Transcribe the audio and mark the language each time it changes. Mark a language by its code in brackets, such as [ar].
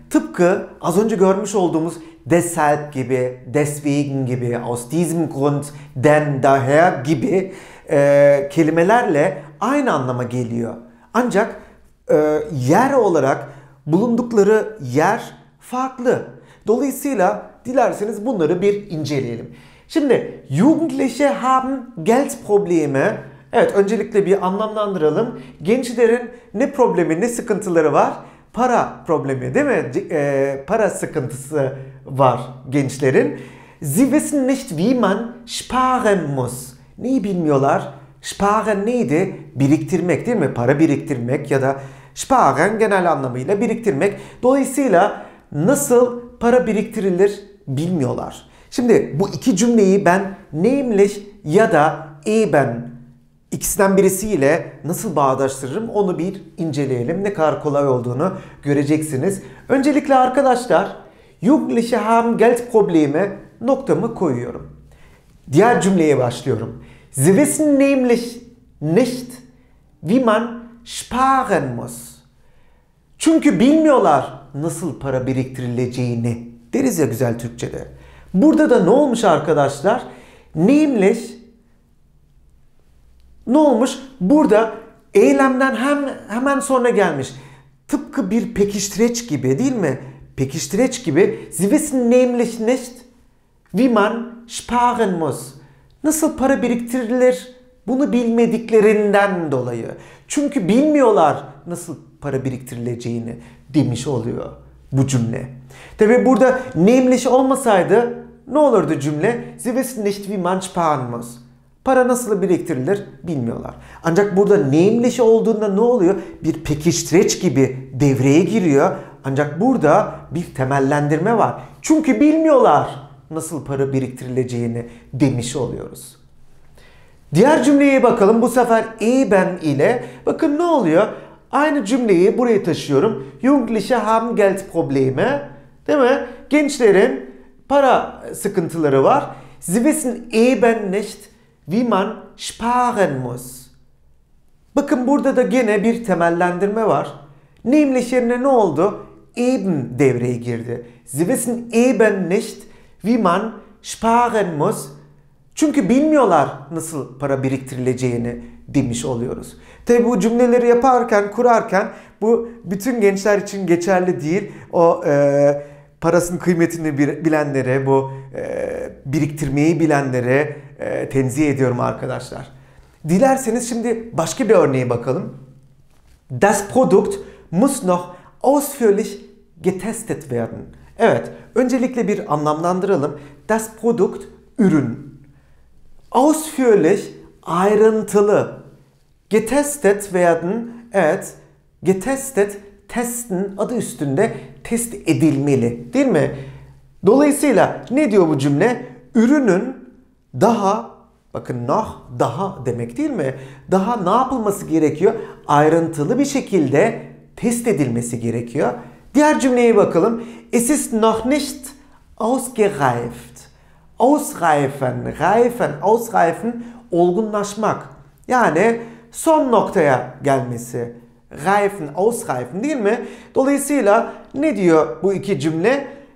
[tr] Tıpkı az önce görmüş olduğumuz deshalb gibi, deswegen gibi, aus diesem Grund, denn, daher gibi kelimelerle aynı anlama geliyor. Ancak yer olarak bulundukları yer farklı. Dolayısıyla dilerseniz bunları bir inceleyelim. [de] Şimdi Jugendliche haben Geldprobleme. [tr] Evet, öncelikle bir anlamlandıralım. Gençlerin ne problemi, ne sıkıntıları var? Para problemi, değil mi? Para sıkıntısı var gençlerin. [de] Sie wissen nicht, wie man sparen muss. [tr] Neyi bilmiyorlar? Sparen neydi? Biriktirmek, değil mi? Para biriktirmek ya da sparen genel anlamıyla biriktirmek. Dolayısıyla nasıl para biriktirilir bilmiyorlar. Şimdi bu iki cümleyi ben nämlich ya da eben ikisinden birisiyle nasıl bağdaştırırım onu bir inceleyelim. Ne kadar kolay olduğunu göreceksiniz. Öncelikle arkadaşlar [de] Jugendliche haben Geldprobleme [tr] noktamı koyuyorum. Diğer cümleye başlıyorum. [de] Sie wissen nämlich nicht, wie man sparen muss. [tr] Çünkü bilmiyorlar nasıl para biriktirileceğini deriz ya güzel Türkçe'de. Burada da ne olmuş arkadaşlar? Nämlich ne olmuş? Burada eylemden hemen sonra gelmiş. Tıpkı bir pekiştireç gibi değil mi? Pekiştireç gibi. [de] Sie wissen nämlich nicht, wie man sparen muss. [tr] Nasıl para biriktirilir? Bunu bilmediklerinden dolayı. Çünkü bilmiyorlar nasıl para biriktirileceğini demiş oluyor bu cümle. Tabi burada nämlich olmasaydı ne olurdu cümle? [de] Sie wissen nicht, wie man sparen muss. [tr] Para nasıl biriktirilir bilmiyorlar. Ancak burada nämlich olduğunda ne oluyor? Bir pekiştireç gibi devreye giriyor. Ancak burada bir temellendirme var. Çünkü bilmiyorlar nasıl para biriktirileceğini demiş oluyoruz. Diğer cümleye bakalım. Bu sefer eben ile. Bakın ne oluyor? Aynı cümleyi buraya taşıyorum. [de] Jugendliche haben Geldprobleme. [tr] Değil mi? Gençlerin para sıkıntıları var. [de] Sie wissen eben nicht, wie man sparen muss. [tr] Bakın burada da gene bir temellendirme var. Nämlich yerine ne oldu? Eben devreye girdi. [de] Sie wissen eben nicht, wie man sparen muss. [tr] Çünkü bilmiyorlar nasıl para biriktirileceğini demiş oluyoruz. Tabi bu cümleleri yaparken, kurarken bu bütün gençler için geçerli değil. O parasının kıymetini bilenlere, bu biriktirmeyi bilenlere tenzih ediyorum arkadaşlar. Dilerseniz şimdi başka bir örneğe bakalım. [de] Das Produkt muss noch ausführlich getestet werden. [tr] Evet, öncelikle bir anlamlandıralım. Das Produkt, ürün. Ausführlich, ayrıntılı. Getestet werden, evet. Getestet, testen adı üstünde test edilmeli, değil mi? Dolayısıyla ne diyor bu cümle? Ürünün daha, bakın noch, daha demek değil mi? Daha ne yapılması gerekiyor? Ayrıntılı bir şekilde test edilmesi gerekiyor. Diğer cümleye bakalım. [de] Es ist noch nicht ausgereift. Ausreifen, reifen, ausreifen, olgunlaşmak. [tr] Yani son noktaya gelmesi. Reifen, ausreifen değil mi? Dolayısıyla ne diyor bu iki cümle?